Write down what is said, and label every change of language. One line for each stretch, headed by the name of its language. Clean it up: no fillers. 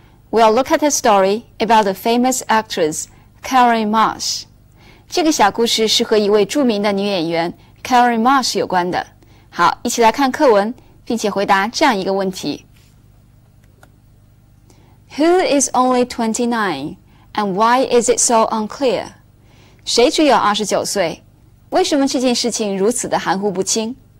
English: We'll look at a story about the famous actress Carrie Marsh.
Chinese: 这个小故事是和一位著名的女演员 Carrie Marsh 有关的。好，一起来看课文，并且回答这样一个问题。
English: Who is only 29 and why is it so unclear?
Chinese: 谁只有29岁？为什么这件事情如此的含糊不清？